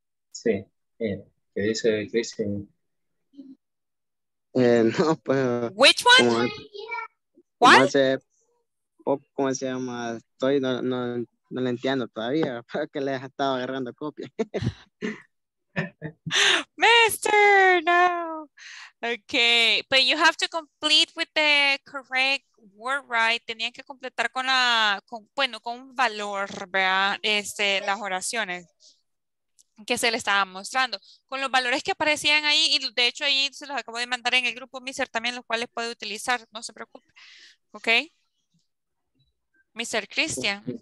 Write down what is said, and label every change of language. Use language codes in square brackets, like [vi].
[es] Sí. ¿Qué dice Cristian? No, pues. [en] ¿Which one? [es] ¿Cómo? [en] ¿What? [es] ¿Cómo se llama? Estoy, no. No lo entiendo todavía, pero que le has estado agarrando copia. Mister, no. [en] Okay, but you have to complete with the correct word, right? [es] Tenían que completar con la, con, bueno, con un valor, ¿verdad? Este, las oraciones que se le estaban mostrando. Con los valores que aparecían ahí, y de hecho ahí se los acabo de mandar en el grupo, Mister, también los cuales puede utilizar, no se preocupe. [en] Okay. Mr. Christian,